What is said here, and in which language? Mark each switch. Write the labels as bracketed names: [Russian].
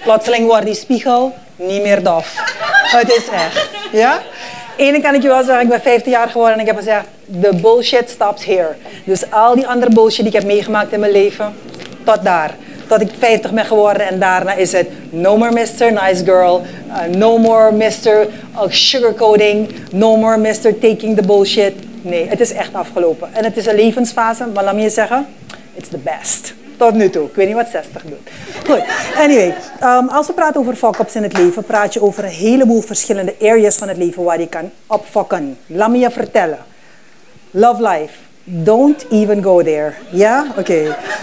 [Dutch] Plotseling wordt die spiegel niet meer dof. Het is echt, ja? Eén kan ik je wel zeggen, ik ben 50 jaar geworden en ik heb gezegd, [English] the bullshit stops here. [Dutch] Dus al die andere bullshit die ik heb meegemaakt in mijn leven, tot daar. Tot ik 50 ben geworden en daarna is het [English] no more Mr. Nice Girl, no more Mr. Sugarcoating, no more Mr. Taking the Bullshit. [Dutch] Nee, het is echt afgelopen. En het is een levensfase, maar laat me je zeggen, [English] it's the best. [Dutch] Tot nu toe. Ik weet niet wat 60 doet. Goed, anyway. Als we praten over fuck-ups in het leven, praat je over een heleboel verschillende areas van het leven waar je kan opfokken. Laat me je vertellen. [English] Love life. Don't even go there. [Dutch] Ja? Oké.